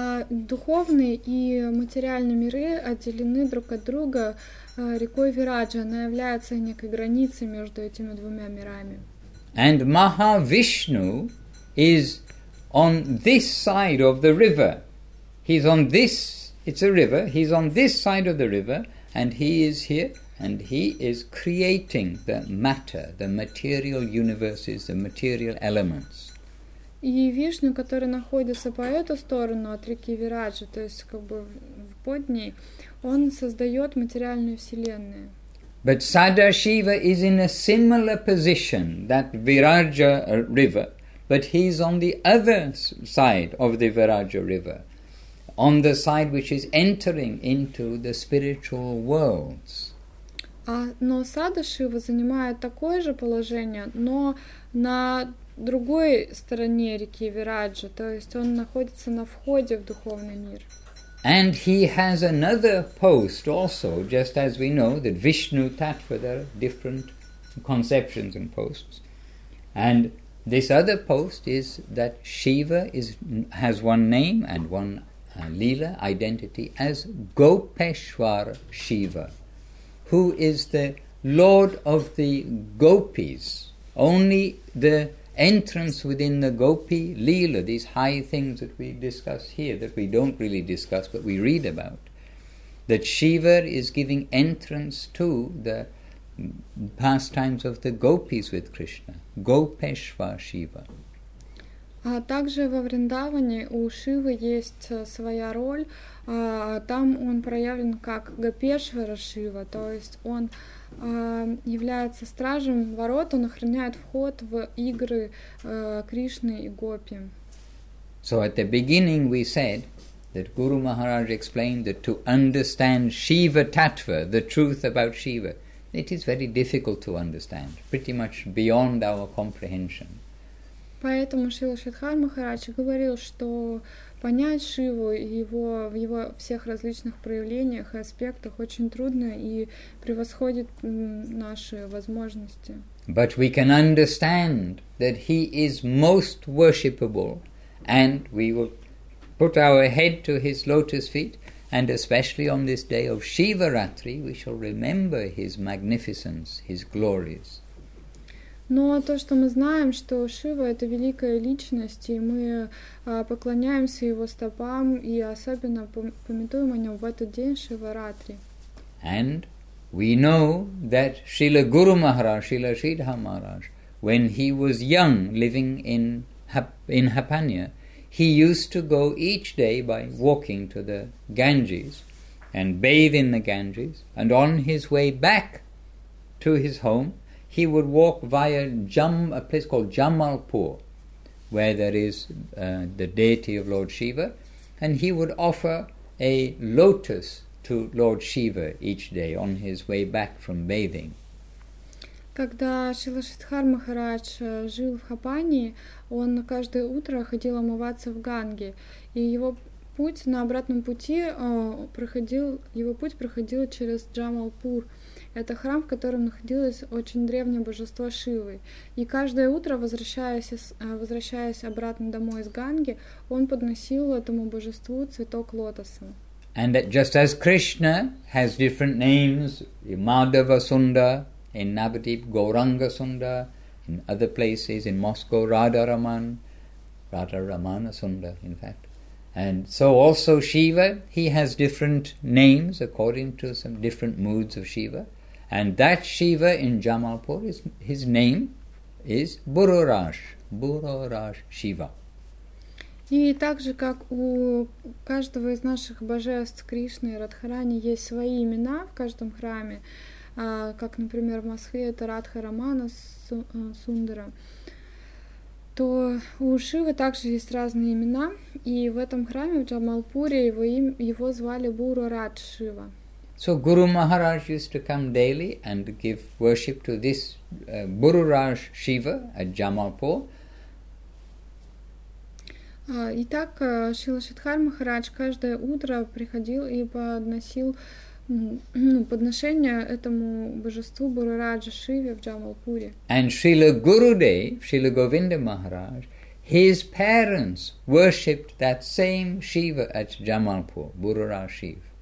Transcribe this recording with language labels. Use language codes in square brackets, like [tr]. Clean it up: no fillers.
[ru] Духовные и материальные миры отделены друг от друга рекой Вираджа. Она является некой границей между этими двумя мирами. [en] And Mahavishnu is on this side of the river. He's on this, it's a river, he's on this side of the river, and he is here, and he is creating the matter, the material universes, the material elements. [ru] И Вишну, который находится по эту сторону от реки Вираджа, то есть как бы под ней, он создает материальную вселенную. [en] But Sadashiva is in a similar position, that Viraja river, but he's on the other side of the Viraja river, on the side which is entering into the spiritual worlds. [ru] Но Сада-Шива занимает такое же положение, но на другой стороне реки Вираджа, то есть он находится на входе в духовный мир. [en] And he has another post also, just as we know that Vishnu Tattva, there are different conceptions and posts. And this other post is that Shiva has one name and one Leela identity as Gopeshwar Shiva, who is the lord of the gopis. Only the entrance within the gopi Leela, these high things that we discuss here, that we don't really discuss but we read about, that Shiva is giving entrance to the pastimes of the gopis with Krishna. Gopeshwar Shiva. [uk] А також во Вриндавані у Шиви є своя роль. Там він проявлен як Гопешвар Шива, тобто він являється стражем ворот, він охороняє вхід в ігри Кришни і Гопі. [en] So at the beginning we said that Guru Maharaj explained that to understand Shiva Tattva, the truth about Shiva, it is very difficult to understand, pretty much beyond our comprehension. [ru] Поэтому Шрила Шридхар Махарадж говорил, что понять Шиву его, в его всех различных проявлениях и аспектах очень трудно и превосходит наши возможности. [en] But we can understand that he is most worshipable, and we will put our head to his lotus feet, and especially on this day of Shivaratri, we shall remember his magnificence, his glories. [ru] Но то, что мы знаем, что Шива — это великая личность, и мы поклоняемся его стопам и особенно памятуем о нем в этот день Шиваратри. [en] And we know that Srila Guru Maharaj, Srila Sridhar Maharaj, when he was young, living in Hapanya, he used to go each day by walking to the Ganges and bathe in the Ganges, and on his way back to his home, he would walk via a place called Jamalpur, where there is the deity of Lord Shiva, and he would offer a lotus to Lord Shiva each day on his way back from bathing. [ru] Когда Шрила Шридхар Махарадж жил в Хапании, он каждое утро ходил омываться в Ганге, и его путь на обратном пути проходил через Джамалпур. Это храм, в котором находилось очень древнее божество Шивы. И каждое утро, возвращаясь обратно домой из Ганги, он подносил этому божеству цветок лотоса. [en] And that just as Krishna has different names, Madhava Sunda in Navadvip, Gauranga Sunda in other places, in Moscow Radha Ramana Sunda, in fact. And so also Shiva, he has different names according to some different moods of Shiva. And that Shiva in Jamalpur, his name is Bururaj Shiva. [ru] И также, как у каждого из наших божеств Кришны и Радхарани есть свои имена в каждом храме, как, например, в Москве это Радха Рамана Сундара, то у Шивы также есть разные имена, и в этом храме, в Джамалпуре, его звали Бурурадж Шива. [en] So Guru Maharaj used to come daily and give worship to this Bururaj Shiva at Jamalpur. [ru] Итак, Шрила Шридхар Махарадж каждое утро приходил и подносил подношение этому божеству Бурураджа Шиве в Джамалпуре. [en] And Srila Gurudev, Srila Govinda Maharaj, his parents worshipped that same Shiva at Jamalpur, Bururaj Shiva.